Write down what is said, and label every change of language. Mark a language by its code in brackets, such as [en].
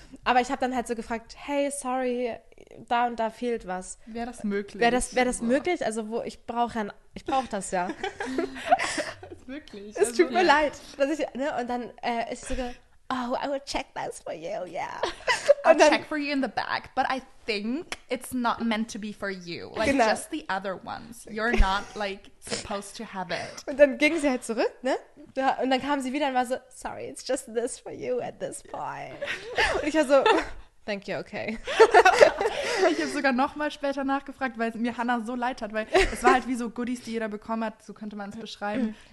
[de] Aber ich habe dann halt so gefragt, hey, sorry, da und da fehlt was. Wäre das möglich? Wäre das möglich? Also wo, ich brauche das ja. Wirklich? Es tut mir leid, dass ich, ne, und dann ist so, oh, [en] I will check this for you, yeah. I'll check for you in the back, but I think it's not meant to be for you. Like, just the other ones. You're not, like, supposed to have it. [de] Und dann ging sie halt zurück, ne? Ja, und dann kam sie wieder und war so, [en] sorry, it's just this for you at this point. [de] Und ich war so, [en] thank you, okay. [de] Ich habe sogar nochmal später nachgefragt, weil es mir Hannah so leid hat, weil es war halt wie so Goodies, die jeder bekommen hat, so könnte man es beschreiben.